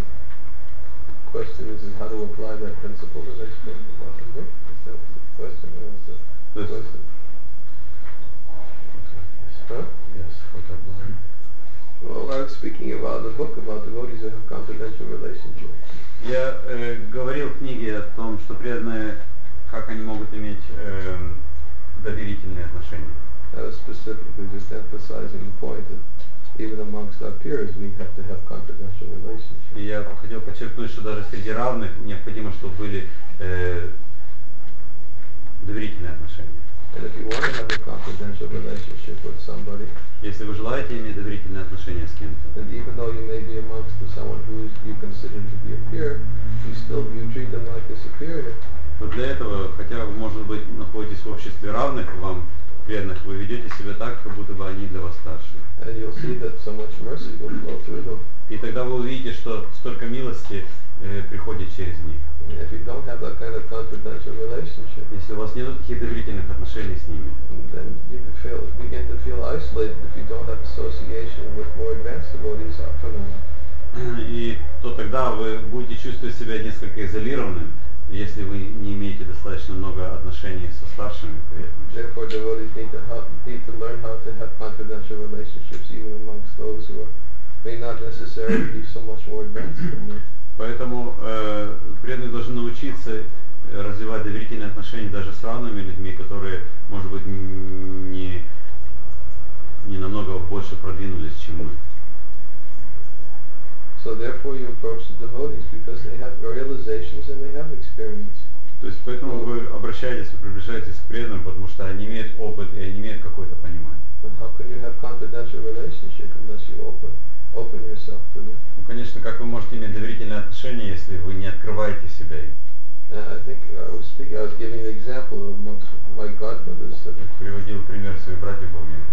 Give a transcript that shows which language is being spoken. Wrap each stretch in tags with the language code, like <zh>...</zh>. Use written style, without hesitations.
<en>The question is how to apply that principle that I spoke about in the book. Is that the question or is it the question? Yes. Huh? Yes, how to apply. Well, I was speaking about the book about devotees that have confidential relationships.</en> <ru>Я говорил в книге о том, что преданные, как они могут иметь доверительные отношения.</ru> <en>I was specifically just emphasizing the point that even amongst our peers, we have to have confidential relationships.</en> <ru>Я хотел подчеркнуть, что даже среди равных необходимо, чтобы были доверительные отношения.</ru> <en>And if you want to have a confidential relationship with somebody,</en> <ru>если вы желаете иметь доверительные отношения с кем-то,</ru> <en>then even though you may be amongst someone who you consider to be a peer, you treat them like a superior.</en> <ru>Вот для этого, хотя вы, может быть, находитесь в обществе равных, вам преданных, вы ведете себя так, как будто бы они для вас старше.</ru> <en>And you'll see that so much mercy will flow through them.</en> <ru>И тогда вы увидите, что столько милости приходит через них.</ru> <en>If you don't have that kind of confidential relationship,</en> <ru>если у вас нет таких доверительных отношений с ними,</ru> <en>then you begin to feel isolated if you don't have association with more advanced devotees often.</en> <ru>И то тогда вы будете чувствовать себя несколько изолированным, если вы не имеете достаточно много отношений со старшими при этом.</ru> <en>Therefore, devotees need to learn how to have confidential relationships even amongst those who may not necessarily be so much more advanced than you.</en> <ru>Поэтому преданные должны научиться развивать доверительные отношения даже с равными людьми, которые, может быть, не намного больше продвинулись, чем мы.</ru> <en>So therefore you approach the devotees because they have realizations and they have experience.</en> <ru>То есть поэтому вы обращаетесь, вы приближаетесь к преданным, потому что они имеют опыт и они имеют какое-то понимание.</ru> <en>But how can you have confidential relationship unless you open yourself to them?</en> <ru>Ну, конечно, как вы можете иметь доверительные отношения, если вы не открываете себя им?</ru> <en>I was giving an example amongst my godmothers.</en> <ru>Я приводил пример своих братьев Боми.</ru>